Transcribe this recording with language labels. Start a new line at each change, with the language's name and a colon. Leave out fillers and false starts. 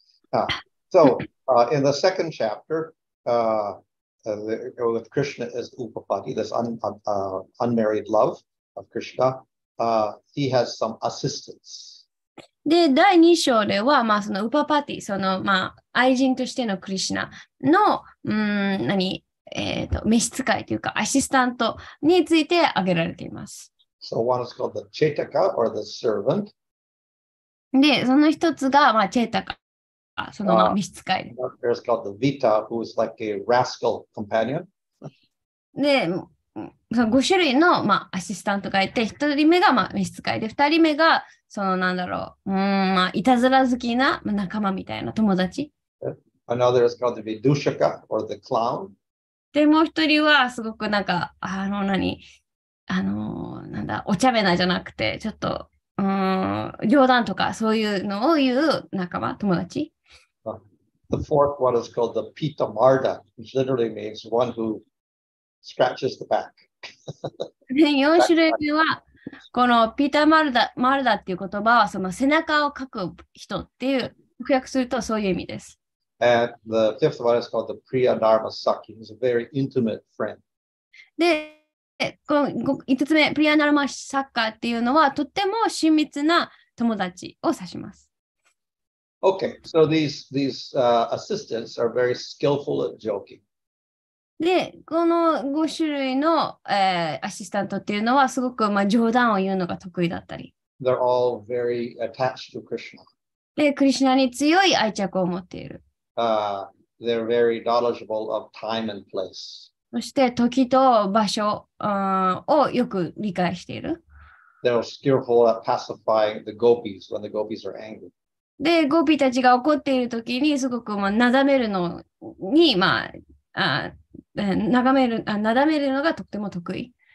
English: Okay. So, in the second chapter, with Krishna as Upapati, this unmarried love of Krishna,he has some assistance.
Japanese: で、第2章では、まあ、そのウパパティ、その、まあ、愛人としてのクリシナの、召使いというか、アシスタントについて挙げられています。
English: So one is called the Chetaka or the servant.
Japanese: で、その一つが、まあ、チェタカ、その、まあ、召使い。
English: There's called the Vita, who is like a rascal companion.
Japanese: で、その5種類の、まあ、アシスタントがいて、1人目が、まあ、召使いで、2人目が、その、なんだろう、まあ、いたずら好きな仲間みたいな友達。
English: Another is called the Vidushaka, or the clown.
Japanese: で、もう1人は、すごくなんか、なんだ、お茶目なじゃなくて、ちょっと、冗談とか、そういうのを言う仲間、友達。
English: The fourth one is called the Pita Marda, which literally means one who... Scratches the back.
Japanese: 4種類目はこのピーターマルダ、マルダっていう言葉はその背中をかく人っていう直訳するとそういう意味です。
English: And the fifth one is called the Priyadharma Sakhi. He's a very intimate friend.
Japanese: で、この5つ目、Priyadharma Sakhi っていうのはとっても親密な友達を指します。
English: Okay, so these assistants are very skillful at joking.
Japanese: で、この5種類の、アシスタントっていうのはすごく、まあ、冗談を言うのが得意だったり。
English: They're all very attached to Krishna.
Japanese: で、クリシナに強い愛着を持っている。
English: They're very knowledgeable of time and place.
Japanese: そして、時と場所、をよく理解している。
English: They're skillful at pacifying the gopis when the gopis are angry.
Japanese: で、ゴピたちが怒っているときにすごく、まあ、なだめるのに、まあ、なだめるのがとても得意。